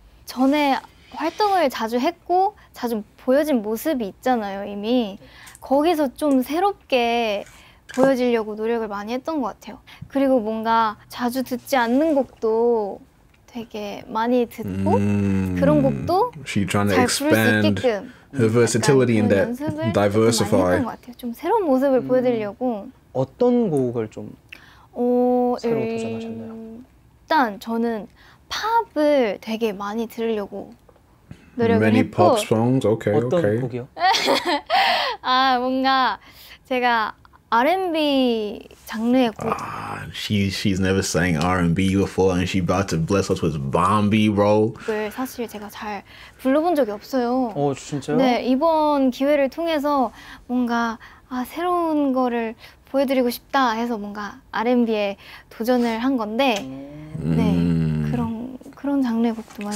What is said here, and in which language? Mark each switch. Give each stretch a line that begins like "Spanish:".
Korean: 전에 활동을 자주 했고 자주 보여진 모습이 있잖아요 이미 거기서 좀 새롭게 보여지려고 노력을 많이 했던 것 같아요 그리고 뭔가 자주 듣지 않는 곡도 되게 많이 듣고 그런 곡도
English: She's trying to expand her versatility in that diversify
Korean: 좀 많이 했던 것 같아요 좀 새로운 모습을 보여드리려고 어떤 곡을 좀 새로 도전하셨나요? 일단 저는 팝을 되게 많이 들으려고 노력을 했고
English: Many pop songs? Okay,
Korean: 어떤
English: okay.
Korean: 곡이요? 아 뭔가 제가 R&B 장르의 곡
English: She's never sang R&B before and she about to bless us with Bambi role
Korean: 곡을 사실 제가 잘 불러본 적이 없어요 어 진짜요? 네 이번 기회를 통해서 뭔가 아 새로운 거를 보여드리고 싶다 해서 뭔가 R&B에 도전을 한 건데 네 그런 장르의 곡도 많이